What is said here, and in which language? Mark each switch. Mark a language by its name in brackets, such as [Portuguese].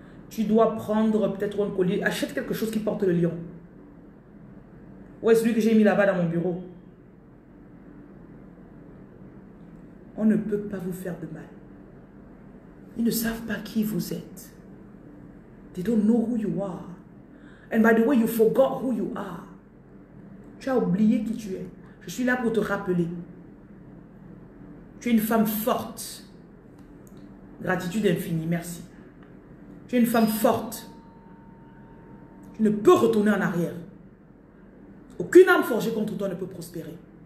[French] Tu dois prendre peut-être un collier. Achète quelque chose qui porte le lion. Ouais, celui que j'ai mis là-bas dans mon bureau. On ne peut pas vous faire de mal. Ils ne savent pas qui vous êtes. [English] They don't know who you are. And by the way, you forgot who you are. [French] Tu as oublié qui tu es. Je suis là pour te rappeler. Tu es une femme forte. Gratitude infinie, merci. Tu es une femme forte. Tu ne peux retourner en arrière. Aucune arme forgée contre toi ne peut prospérer.